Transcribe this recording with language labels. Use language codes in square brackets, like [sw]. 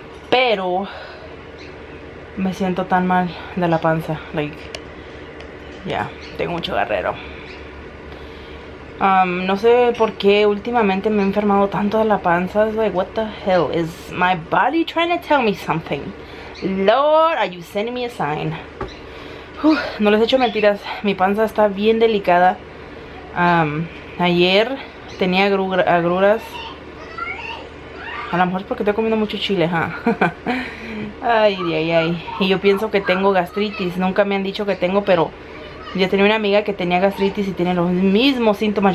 [es] Pero me siento tan mal de la panza. Like, ya, tengo mucho guerrero. No sé por qué últimamente me he enfermado tanto de la panza. [en] It's like, what the hell? Is my body trying to tell me something? Lord, are you sending me a sign? [es] No les he hecho mentiras. Mi panza está bien delicada. Ayer tenía agruras. A lo mejor es porque estoy comiendo mucho chile, ¿eh? Ay, ay, ay. Y yo pienso que tengo gastritis. Nunca me han dicho que tengo, pero... yo tenía una amiga que tenía gastritis y tiene los mismos síntomas.